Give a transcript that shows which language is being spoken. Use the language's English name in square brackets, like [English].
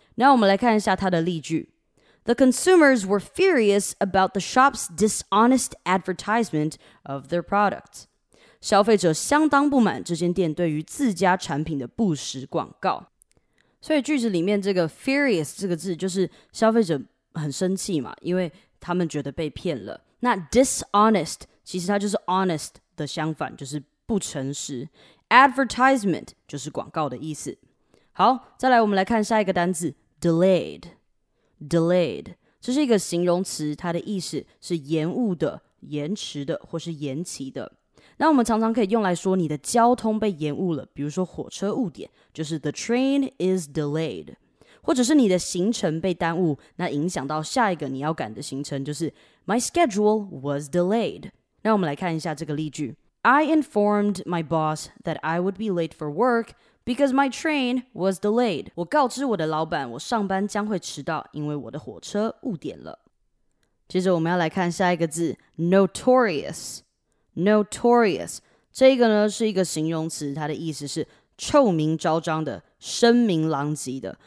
[Chinese] 那我们来看一下它的例句 [English] ：The consumers were furious about the shop's dishonest advertisement of their products。 [Chinese] 消费者相当不满这间店对于自家产品的不实广告。所以句子里面这个 furious 这个字，就是消费者很生气嘛，因为他们觉得被骗了。那 dishonest 其实它就是 honest 的相反，就是不诚实。 advertisement 就是广告的意思。好，再来我们来看下一个单字 delayed。 delayed 这是一个形容词，它的意思是延误的、延迟的或是延期的。那我们常常可以用来说你的交通被延误了，比如说火车误点，就是 [English] the train is delayed。 [Chinese] 或者是你的行程被耽误，那影响到下一个你要赶的行程，就是 [English] My schedule was delayed。 [Chinese] 那我们来看一下这个例句 [English] I informed my boss that I would be late for work because my train was delayed。 [Chinese] 我告知我的老板我上班将会迟到，因为我的火车误点了。接着我们要来看下一个字 Notorious。Notorious 这个呢是一个形容词，它的意思是臭名昭彰的、声名狼藉的。